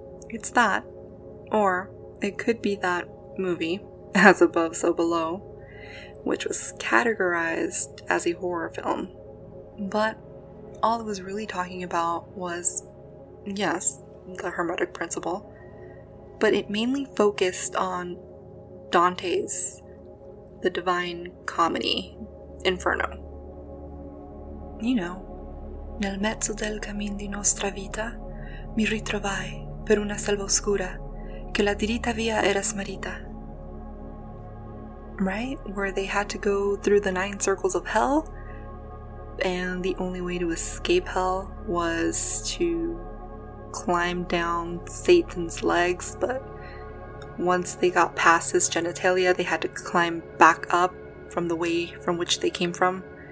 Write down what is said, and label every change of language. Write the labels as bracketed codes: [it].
[en] It's that, or it could be that movie, As Above, So Below, which was categorized as a horror film. But all it was really talking about was, yes, the Hermetic Principle, but it mainly focused on Dante's The Divine Comedy, Inferno. You know, [it] nel mezzo del cammin di nostra vita, mi ritrovai per una selva oscura che la diritta via era smarrita. [en] Right? Where they had to go through the nine circles of hell, and the only way to escape hell was to climb down Satan's legs, but once they got past his genitalia, they had to climb back up from the way from which they came from.